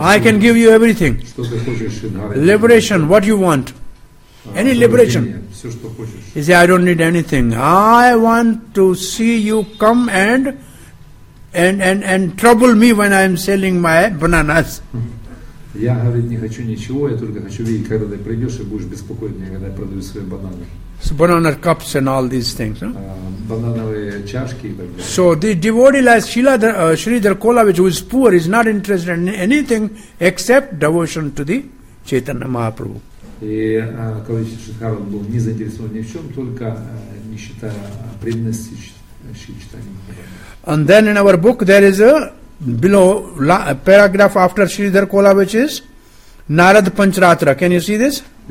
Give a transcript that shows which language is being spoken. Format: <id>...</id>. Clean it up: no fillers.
<en>I can give you everything.</en> <ru>Что ты хочешь, Shridhar?</ru> <en>Liberation, what do you want? Any liberation. He said, I don't need anything. I want to see you come and trouble me when I am selling my bananas.</en> <ru>Я, говорит, не хочу ничего, я только хочу видеть, когда ты придешь и будешь беспокоить меня, когда я продаю свои бананы.</ru> <en>So banana cups and all these things.</en> <ru>Банановые чашки и так далее.</ru> <en>So the devotee like Shridhar Kolavach, who is poor, is not interested in anything except devotion to the Chaitanya Mahaprabhu.</en> <ru>И Калавеча Шридхар был не заинтересован ни в чем, только не считая преданности Шри Чайтанья Махапрабху.</ru> <en>And then in our book there is a below paragraph after Shridhar Kolavach is Narad Panchratra. Can you see this?</en>